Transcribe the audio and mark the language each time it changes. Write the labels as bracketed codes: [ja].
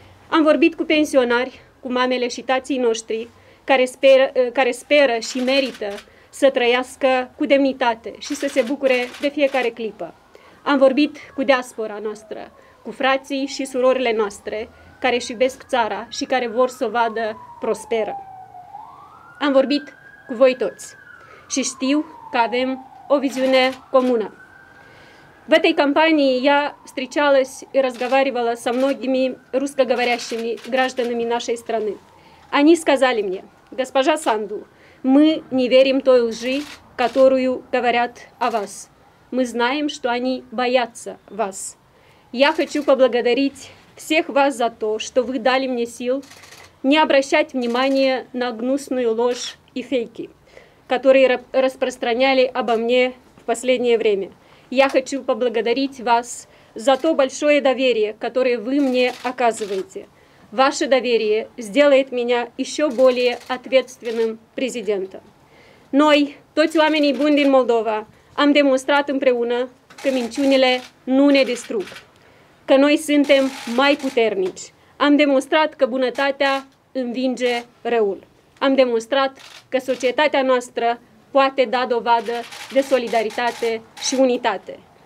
[ro] Am vorbit cu pensionari, cu mamele și tații noștri, care speră și merită să trăiască cu demnitate și să se bucure de fiecare clipă. Am vorbit cu diaspora noastră, cu frații și surorile noastre, care își iubesc țara și care vor să o vadă prosperă. Am vorbit cu voi toți și știu că avem o viziune comună. [ru] Vătei campanii я встречалась и разговаривала со многими русскоговорящими гражданами нашей страны. Они сказали мне: «Госпожа Санду, мы не верим той лжи, которую говорят о вас. Мы знаем, что они боятся вас. Я хочу поблагодарить всех вас за то, что вы дали мне сил не обращать внимания на гнусную ложь и фейки, которые распространяли обо мне в последнее время. Я хочу поблагодарить вас за то большое доверие, которое вы мне оказываете. Ваше доверие сделает меня еще более ответственным президентом. [ro] Noi, toți oamenii buni din Moldova, am demonstrat împreună că minciunile nu ne distrug, că noi suntem mai puternici. Am demonstrat că bunătatea învinge răul. Am demonstrat că societatea noastră poate da dovadă de solidaritate și unitate.